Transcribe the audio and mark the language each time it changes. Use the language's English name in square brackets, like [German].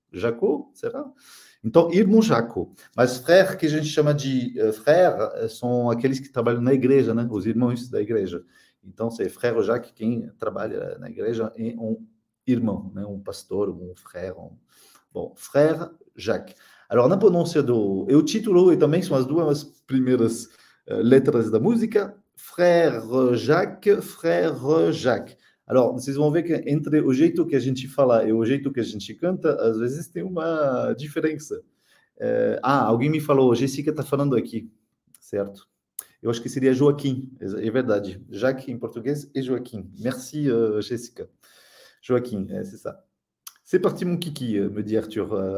[Portuguese] Jaco, será? Então, irmão Jaco. Mas frère, que a gente chama de frère, são aqueles que trabalham na igreja, né? Os irmãos da igreja. Então, é frère Jacques quem trabalha na igreja é um irmão, né? Um pastor, um frère. Bom, frère Jacques. Alors, na pronúncia do. E o título e também são as duas primeiras letras da música. [French] Frère Jacques, frère Jacques. [Portuguese] Alors, vocês vão ver que entre o jeito que a gente fala e o jeito que a gente canta, às vezes tem uma diferença. Alguém me falou, Jessica está falando aqui, certo? Eu acho que seria Joaquim, é verdade. Jacques em português e Joaquim. [French] Merci, Jessica. Joaquim, é, c'est ça. C'est parti, mon kiki, me dit Arthur.